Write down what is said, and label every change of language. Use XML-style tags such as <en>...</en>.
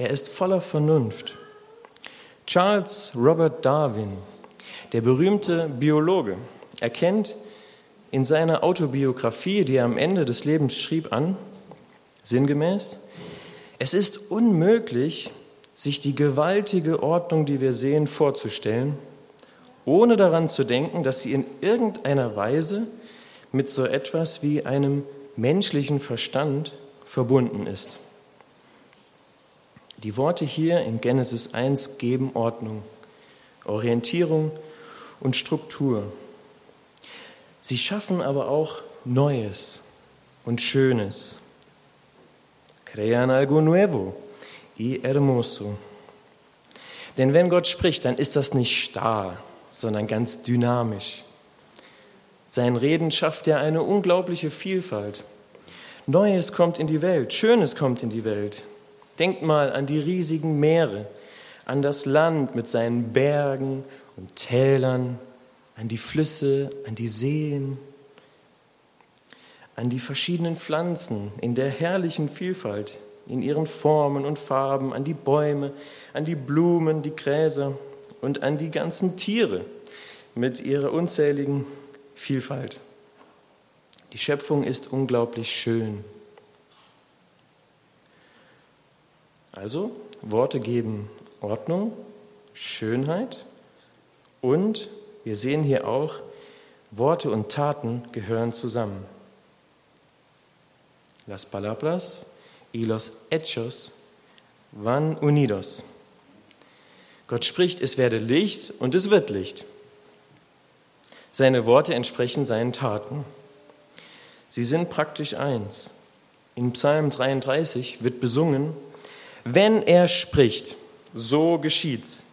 <de>Er ist voller Vernunft. Charles Robert Darwin, der berühmte Biologe, erkennt in seiner Autobiografie, die er am Ende des Lebens schrieb, an, sinngemäß: Es ist unmöglich, sich die gewaltige Ordnung, die wir sehen, vorzustellen, ohne daran zu denken, dass sie in irgendeiner Weise mit so etwas wie einem menschlichen Verstand verbunden ist. Die Worte hier in Genesis 1 geben Ordnung, Orientierung und Struktur. Sie schaffen aber auch Neues und Schönes.</de> <es>Crean algo nuevo y hermoso.</es> <de>Denn wenn Gott spricht, dann ist das nicht starr, sondern ganz dynamisch. Sein Reden schafft ja eine unglaubliche Vielfalt. Neues kommt in die Welt, Schönes kommt in die Welt. Denkt mal an die riesigen Meere, an das Land mit seinen Bergen und Tälern, an die Flüsse, an die Seen, an die verschiedenen Pflanzen in der herrlichen Vielfalt, in ihren Formen und Farben, an die Bäume, an die Blumen, die Gräser und an die ganzen Tiere mit ihrer unzähligen Vielfalt. Die Schöpfung ist unglaublich schön. Also, Worte geben Ordnung, Schönheit und wir sehen hier auch, Worte und Taten gehören zusammen.</de> <es>Las palabras y los hechos van unidos.</es> <de>Gott spricht, es werde Licht und es wird Licht. Seine Worte entsprechen seinen Taten. Sie sind praktisch eins. In Psalm 33 wird besungen: Wenn er spricht, so geschieht's.</de>